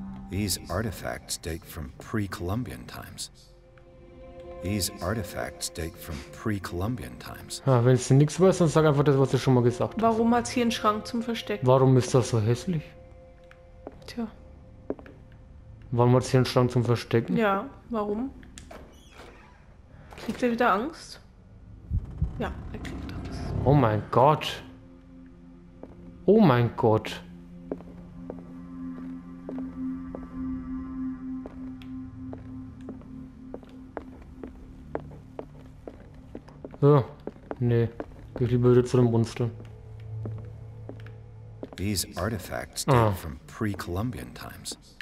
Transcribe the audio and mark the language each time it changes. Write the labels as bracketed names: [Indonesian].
[English] These artifacts date from pre-Columbian times. These artifacts date from pre-Columbian times. [German] Ja, wenn es nichts weiß, dann sag einfach das, was du schon mal gesagt hast. Warum hat's hier einen Schrank zum Verstecken? Warum ist das so hässlich? Tja. Warum hat's hier einen Schrank zum Verstecken? Ja, warum? Kriegt er wieder Angst? Ja, er kriegt Angst. Oh mein Gott. Oh mein Gott. Ja, nee. Geh ich lieber wieder zu dem Monster. [English] These artifacts date from pre-Columbian times.